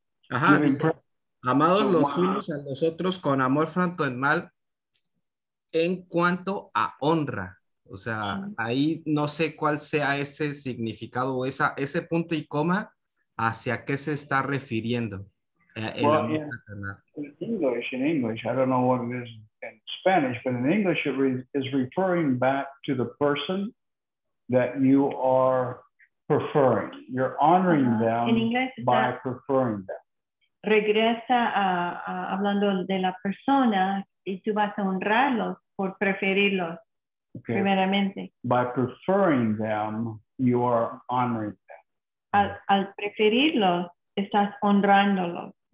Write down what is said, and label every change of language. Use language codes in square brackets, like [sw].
[es] Ajá, dice, amados los unos a los otros con amor fraternal en cuanto a honra. O sea, ahí no sé cuál sea ese significado o ese punto y coma, hacia qué se está refiriendo. [en] In English, I don't know what it is in Spanish, but in English it is referring back to the person that you are preferring. You're honoring them by preferring them. [es] Regresa a hablando de la persona y tú vas a honrarlos por preferirlos. Okay. Primeramente. [en] By preferring them, you are honoring them. [es] Al preferirlos, estás honrándolos.